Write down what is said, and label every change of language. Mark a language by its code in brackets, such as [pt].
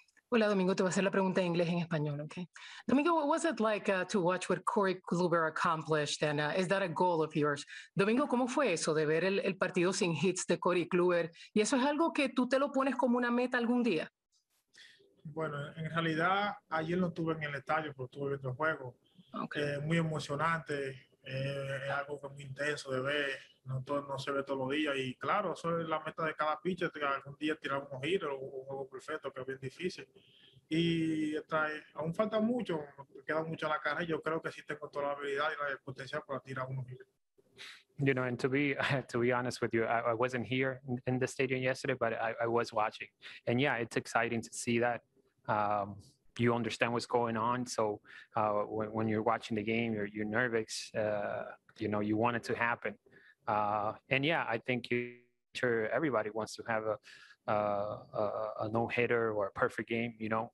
[es] Hola, Domingo, te voy a hacer la pregunta en inglés y en español, okay? [en] Domingo, what was it like to watch what Corey Kluber accomplished, and is that a goal of yours? [es] Domingo, ¿cómo fue eso de ver el partido sin hits de Corey Kluber? ¿Y eso es algo que tú te lo pones como una meta algún día? Bueno, en realidad, ayer no estuve en el estadio, pero estuve viendo el juego. [en] Okay. [es] Muy emocionante, es algo que es muy intenso de ver, no se ve todos los días. Y claro, eso es la meta de cada pitcher, que algún día tiramos un hit o un juego perfecto, que es bien difícil. Y aún falta mucho, queda mucho a la cara, y yo creo que sí tengo toda la habilidad y la potencia para tirar un hit. [en] You know, and to be honest with you, I wasn't here in the stadium yesterday, but I was watching. And yeah, it's exciting to see that. You understand what's going on. So when you're watching the game, you're nervous. You know, you want it to happen. And yeah, I think everybody wants to have a no-hitter or a perfect game, you know.